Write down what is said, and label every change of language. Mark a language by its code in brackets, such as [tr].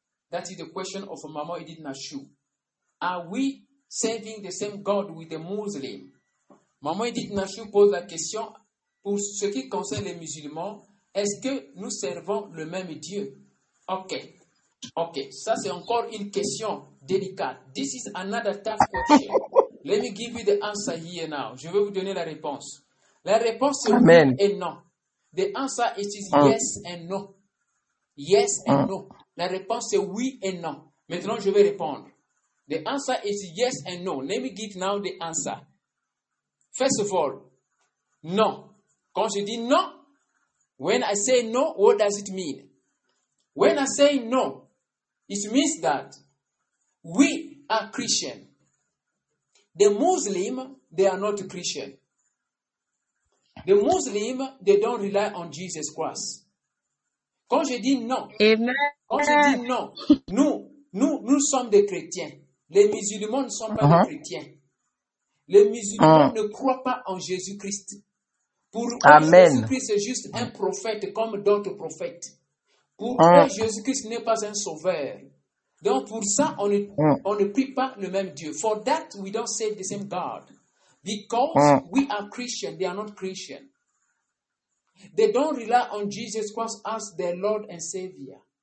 [en] That is the question of Maman Edith Nashu. Are we serving the same God with the Muslim? [fr] Maman Edith Nashu pose la question pour ce qui concerne les musulmans. Est-ce que nous servons le même Dieu? Ok. Ok. Ça, c'est encore une question délicate. [en] This is another tough question. Let me give you the answer here now. [fr] Je vais vous donner la réponse. La réponse est oui et non. [en] The answer is yes and no. Yes and no. [fr] La réponse est oui et non. Maintenant, je vais répondre. [en] The answer is yes and no. Let me give now the answer. First of all, non. [fr] Quand je dis non, [en] when I say no, what does it mean? When I say no, it means that we are Christian. The Muslim, they are not Christian. The Muslim, they don't rely on Jesus Christ. [fr] Quand je dis non, amen. Quand je dis non, nous sommes des chrétiens. Les musulmans ne sont pas des chrétiens. Les musulmans ne croient pas en Jésus-Christ. Pour eux, Jésus-Christ est juste un prophète comme d'autres prophètes. Pour eux, Jésus-Christ n'est pas un sauveur. Donc, pour ça, on ne prie pas le même Dieu. [en] For that, we don't serve the same God. Because we are Christian, they are not Christian. They don't rely on Jesus Christ as their Lord and Savior.